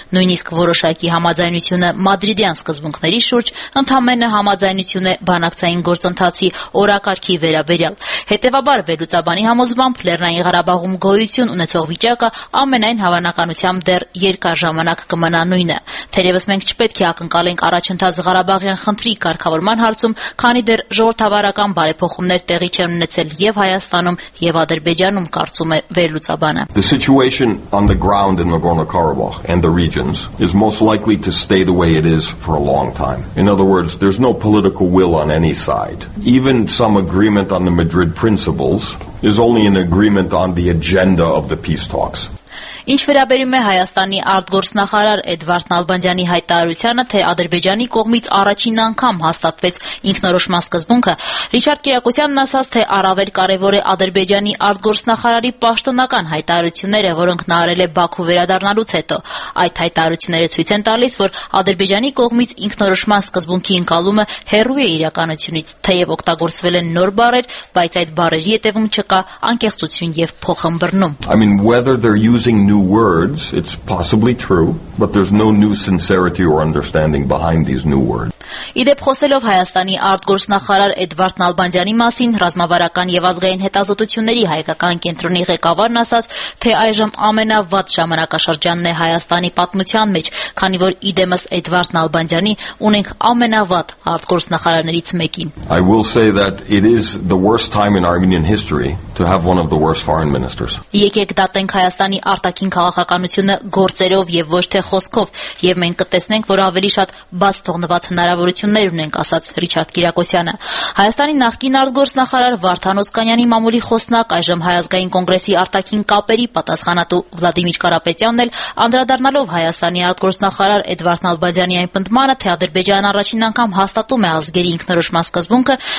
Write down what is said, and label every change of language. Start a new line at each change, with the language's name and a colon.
Armenian: նույնիսկ որոշակի համաձայնությունը Մադրիդյան սկզբունքների շուրջ ընդհանրը համաձայնություն է բանակցային գործընթացի օրակարգի վերաբերյալ։ Հետևաբար վերլուծաբանի Մոսկվայում Լեռնային Ղարաբաղում գոյություն ունեցող վիճակը ամենայն հավանականությամբ դեռ երկար ժամանակ կմնա նույնը։ Թերևս մենք չպետք է ակնկալենք առաջընթաց Ղարաբաղյան խնդրի կարգավորման հարցում, քանի դեռ ժողովրդավարական բարեփոխումներ տեղի չեն ունեցել եւ Հայաստանում եւ Ադրբեջանում, կարծում է վերլուծաբանը։
English: The situation on the ground in Nagorno-Karabakh and the regions is most likely to stay the way it is for a long time. In other words, there's no political will on any side. Even some agreement on the Madrid principles is only an agreement on the agenda of the peace talks.
Armenian: Ինչ վերաբերում է Հայաստանի արտգործնախարար Էդվարդ Նալբանդյանի հայտարարությանը, թե Ադրբեջանի կողմից առաջին անգամ հաստատվեց ինքնորոշման սկզբունքը, Ռիչարդ Կիրակոսյանն ասաց, թե առավել կարևոր է Ադրբեջանի արտգործնախարարի պաշտոնական հայտարարությունները, որոնք նա արել է Բաքու վերադառնալուց հետո։ Այդ հայտարարությունները ցույց են տալիս, որ Ադրբեջանի կողմից ինքնորոշման սկզբունքի ընկալումը հեռու է իրականությունից, թեև օգտագործվել են նոր բառեր, բայց այդ բառերի հետևում չկա անկեղծություն եւ փոխըմբռնում։
English: I mean, whether they're using new new words. It's possibly true, but there's no new sincerity or understanding behind these new words.
Armenian: Իդեպ խոսելով Հայաստանի արտգործնախարար Էդվարդ Նալբանդյանի մասին, ռազմավարական և ազգային հետազոտությունների հայկական կենտրոնի ղեկավարն ասաց, թե այժմ ամենավատ ժամանակաշրջանն է Հայաստանի պատմության մեջ, քանի որ իդեմս Էդվարդ Նալբանդյանի ունենք ամենավատ արտգործնախարարներից մեկին.
English: I will say that it is the worst time in Armenian history to have one of the worst foreign ministers.
Armenian: Եկեք դատենք Հայաստանի արտաքին քաղաքականությունը գործերով եւ ոչ թե խոսքով, եւ մենք կտեսնենք, որ ավելի շատ բաց թողնված հնարավորություններ ունենք, ասաց Ռիչարդ Կիրակոսյանը. Հայաստանի նախկին արտգործնախարար Վարդան Օսկանյանի մամուլի խոսնակ այժմ Հայազգային կոնգրեսի արտաքին կապերի պատասխանատու Վլադիմիր Կարապետյանն էլ, անդրադառնալով Հայաստանի արտգործնախարար Էդվարդ Նալբանդյանի այն պնդմանը, թե Ադրբեջանը առաջին անգամ հաստատում է ազգերի ինքնորոշման սկզբունքը,